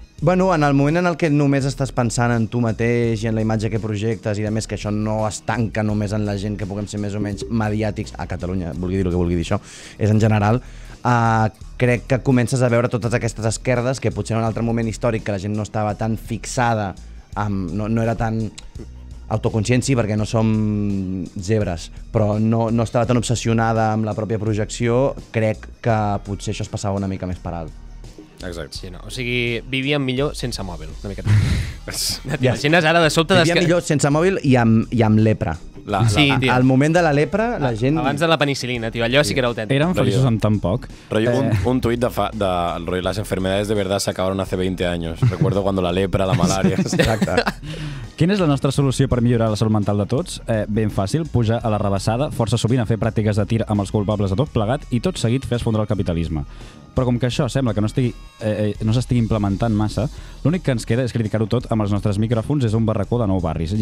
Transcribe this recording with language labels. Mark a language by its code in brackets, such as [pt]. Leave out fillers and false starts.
[ca] Bueno, en el moment en el que només estàs pensant en tu mateix i en la imatge que projectes i, a més, que això no es tanca només en la gent que puguem ser més o menys mediàtics a Catalunya, vulgui dir el que vulgui dir això, és en general, crec que comences a veure totes aquestes esquerdes que potser en un altre moment històric que la gent no estava tan fixada, amb, no era tan autoconscient, sí, perquè no som zebres, però no estava tan obsessionada amb la pròpia projecció, crec que potser això es passava una mica més per alt. Exacte. Sí, no. O sigui, vivíem millor sense mòbil, una mica. T'imagines ara de sobte... Vivíem millor sense mòbil i amb lepra. Sí, al moment de la lepra, la gent... Abans de la penicilina, tio, allò sí que era autèntic. Érem feliços amb tan poc. [es] Rollo, un tuit de rollo, las enfermedades de verdad se acabaron hace 20 años. Recuerdo cuando la lepra, la malària... [ca] Exacte. Quina és la nostra solució per millorar la salut mental de tots? Ben fàcil, pujar a la rebassada, força sovint a fer pràctiques de tir amb els culpables de tot plegat i tot seguit fer esfondre el capitalisme. Però com que això sembla que no s'estigui implementant massa, l'únic que ens queda és criticar-ho tot amb els nostres micròfons des d'un barracó de Nou Barris.